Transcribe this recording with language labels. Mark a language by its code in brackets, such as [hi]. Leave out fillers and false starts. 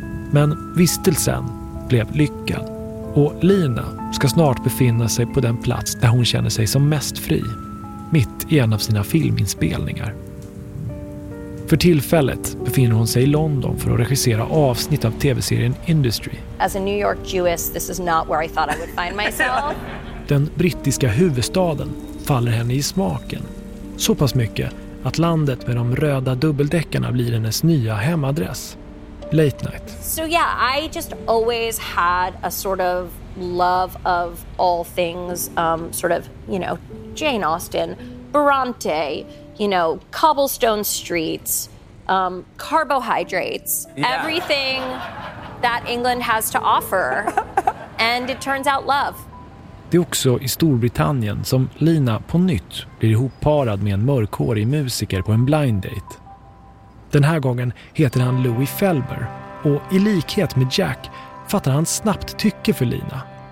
[sv] Men vistelsen blev lyckad och Lina ska snart befinna sig på den plats där hon känner sig som mest fri, mitt i en av sina filminspelningar. För tillfället befinner hon sig i London för att regissera avsnitt av tv-serien Industry. [en] As a New York Jewess, this is not where I thought I would find myself. [sv] Den brittiska huvudstaden faller henne i smaken. Så pass mycket att landet med de röda dubbeldäckarna blir hennes nya hemadress. [en] Late night. So yeah, I just always had a sort of love of all things, sort of, you know, Jane Austen, Bronte, you know, cobblestone streets, carbohydrates, yeah. Everything that England has to offer. And it turns out love. [sv] Det är också i Storbritannien som Lina på nytt blir ihopparad med en mörkhårig musiker på en blind date. Den här gången heter han Louis Felber och i likhet med Jack fattar han snabbt tycke för Lina.